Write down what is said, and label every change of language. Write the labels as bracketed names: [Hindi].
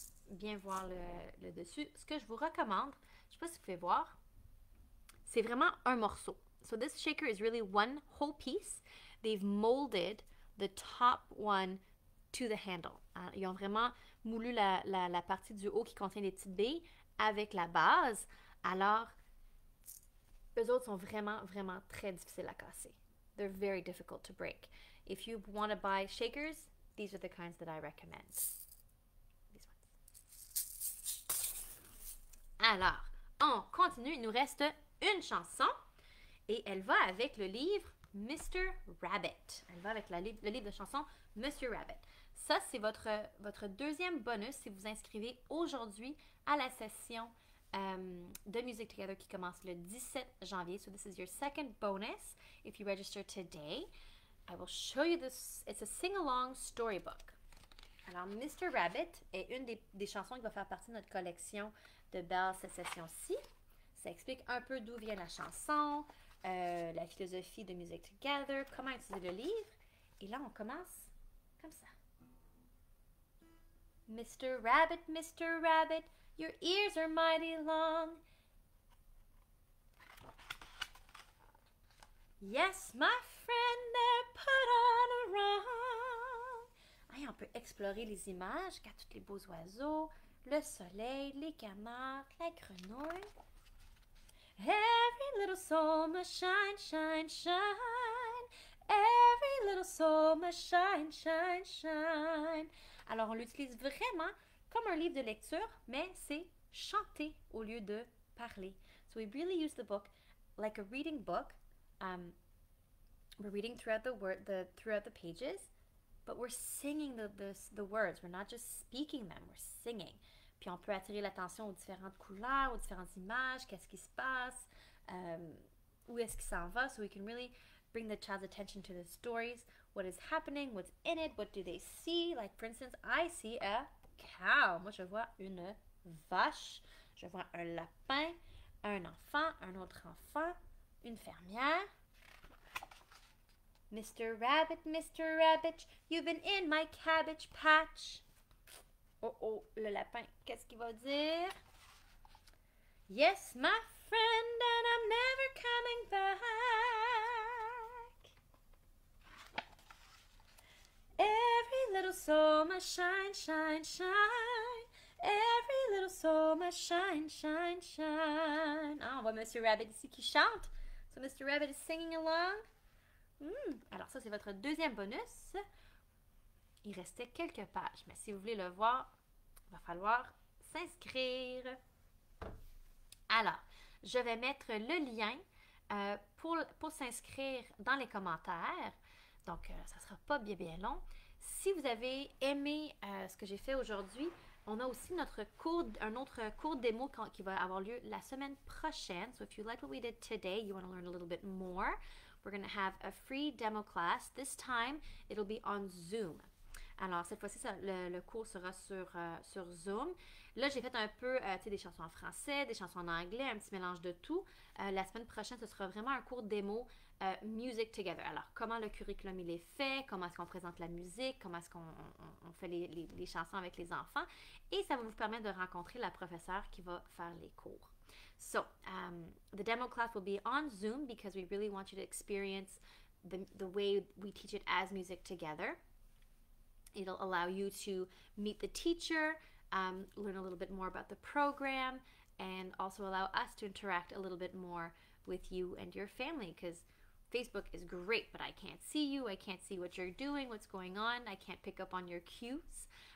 [French] Bien voir le dessus. Ce que je vous recommande, je sais pas si vous pouvez voir, c'est vraiment un morceau. [English] So this shaker is really one whole piece. They've molded the top one to the handle. [French] Ils ont vraiment moulu la partie du haut qui contient les petites baies avec la base. Alors, eux autres sont vraiment, vraiment très difficiles à casser. [English] They're very difficult to break. If you want to buy shakers, these are the kinds that I recommend. [French] Alors, on continue. Il nous reste une chanson et elle va avec le livre Mr. Rabbit. Elle va avec le livre de chansons Mr. Rabbit. Ça, c'est votre deuxième bonus si vous inscrivez aujourd'hui à la session de Music Together qui commence le 17 janvier. [English] So, this is your second bonus if you register today. I will show you this. It's a sing-along storybook. Alors, Mr. [French] Rabbit est une des chansons qui va faire partie de notre collection de Belle cette session-ci. Ça explique un peu d'où vient la chanson, la philosophie de Music Together, comment utiliser le livre. Et là, on commence comme ça. [English] Mr. Rabbit, Mr. Rabbit, your ears are mighty long. Yes, my friend, they're put on a rung. [French] Hey, on peut explorer les images, qu'à tous les beaux oiseaux. Le soleil, les canards, la grenouille. [English] Every little soul must shine, shine, shine. Every little soul must shine, shine, shine. [French] Alors, on l'utilise vraiment comme un livre de lecture, mais c'est chanter au lieu de parler. [English] So, we really use the book like a reading book. We're reading throughout the pages, but we're singing the words. We're not just speaking them, we're singing. [French] Puis on peut attirer l'attention aux différentes couleurs, aux différentes images, qu'est-ce qui se passe, où est-ce qu'il s'en va. [English] So we can really bring the child's attention to the stories. What is happening? What's in it? What do they see? Like, for instance, I see a cow. [French] Moi, je vois une vache. Je vois un lapin, un enfant, un autre enfant, une fermière. [English] Mr. Rabbit, Mr. Rabbit, you've been in my cabbage patch. [French] Oh oh, le lapin, qu'est-ce qu'il va dire? [English] Yes, my friend, and I'm never coming back. Every little soul must shine, shine, shine. Every little soul must shine, shine, shine. [French] Ah, on voit Monsieur Rabbit ici qui chante. [English] So, Mr. Rabbit is singing along. [French] Alors ça, c'est votre deuxième bonus. Il restait quelques pages, mais si vous voulez le voir, il va falloir s'inscrire. Alors, je vais mettre le lien pour s'inscrire dans les commentaires. Donc, ça ne sera pas bien, bien long. Si vous avez aimé ce que j'ai fait aujourd'hui, on a aussi un autre cours démo qui va avoir lieu la semaine prochaine. [English] So, if you like what we did today, you want to learn a little bit more, We're going to have a free demo class. This time, it'll be on Zoom. [French] Alors, cette fois-ci, ça, le cours sera sur Zoom. Là, j'ai fait un peu des chansons en français, des chansons en anglais, un petit mélange de tout. La semaine prochaine, ce sera vraiment un cours démo Music Together. Alors, comment le curriculum il est fait, comment est-ce qu'on présente la musique, comment est-ce qu'on fait les chansons avec les enfants. Et ça va vous permettre de rencontrer la professeure qui va faire les cours. [English] So, the demo class will be on Zoom because we really want you to experience the way we teach it as Music Together. It'll allow you to meet the teacher, learn a little bit more about the program, and also allow us to interact a little bit more with you and your family, because Facebook is great, but I can't see you, I can't see what you're doing, what's going on, I can't pick up on your cues.